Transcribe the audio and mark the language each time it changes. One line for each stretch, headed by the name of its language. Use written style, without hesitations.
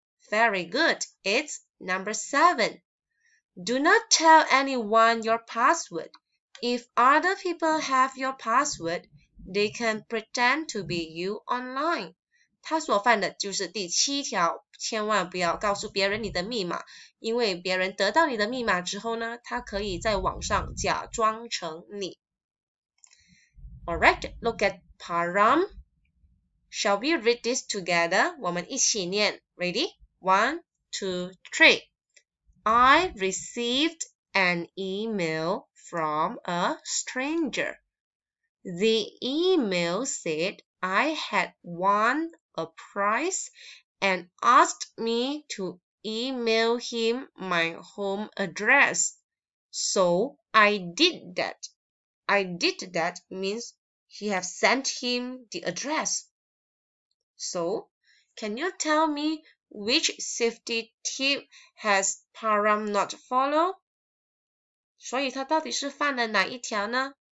English: Very good. It's number 7. Do not tell anyone your password. If other people have your password, they can pretend to be you online.
Chinese: 他所犯的就是第七条，千万不要告诉别人你的密码，因为别人得到你的密码之后呢，他可以在网上假装成你。
English: Alright, look at param. Shall we read this together?
Chinese: 我们一起念。
English: Ready? 1, 2, 3. I received an email from a stranger. The email said I had won a prize and asked me to email him my home address. So I did that. I did that means he have sent him the address. So, can you tell me which safety tip has Param not follow?
Chinese: 所以他到底是犯了哪一条呢?